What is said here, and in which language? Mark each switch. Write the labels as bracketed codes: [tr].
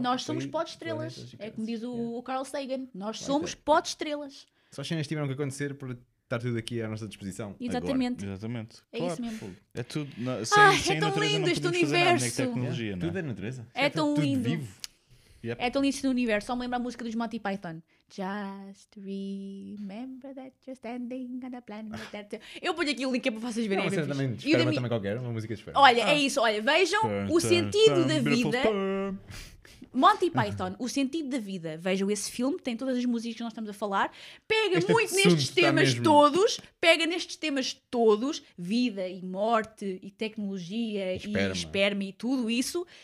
[pt] Nós somos pó de estrelas. É como diz o Carl Sagan. Nós somos pó de estrelas. Só as cenas tiveram que acontecer para estar tudo aqui à nossa disposição. Exatamente. Agora. Exatamente. É claro. Isso mesmo. É tudo. Sem é tão lindo este universo. Nada, tecnologia, é? Tudo é natureza. É tão lindo. Tudo vivo. Yep. É tão lindo no universo, só me lembra a música dos Monty Python. [en] Just remember that you're standing on a planet that... [pt] Eu ponho aqui o link para vocês verem. Uma cena também, também qualquer, uma música de esperma. Olha, é isso, olha, vejam o sentido da vida. Monty Python, o sentido da vida. Vejam esse filme, tem todas as músicas que nós estamos a falar. Pega muito nestes temas todos. Pega nestes temas todos. Vida e morte e tecnologia e esperma e tudo isso.